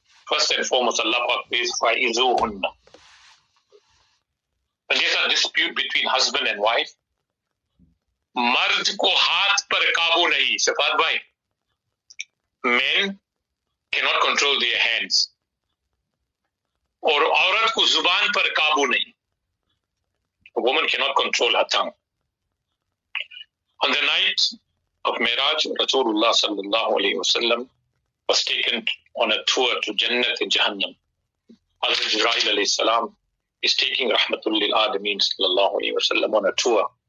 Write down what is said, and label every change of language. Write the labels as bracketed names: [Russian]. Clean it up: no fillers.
[English] First and foremost, Allah is fa'izuhunna. When there's a dispute between husband and wife, [Urdu] mard ko haath par kabu nahi. [English] Shafat bhai, men cannot control their hands. [Urdu] اور عورت کو زبان پر قابو نہیں. [English] A woman cannot control her tongue. On the night of Miraj, Rasulullah sallallahu alayhi wa sallam was taken on a tour to Jannat and Jahannam. Hazrat Jibrail alayhi salam is taking Rahmatul Lil Alameen sallallahu alayhi wa sallam on a tour.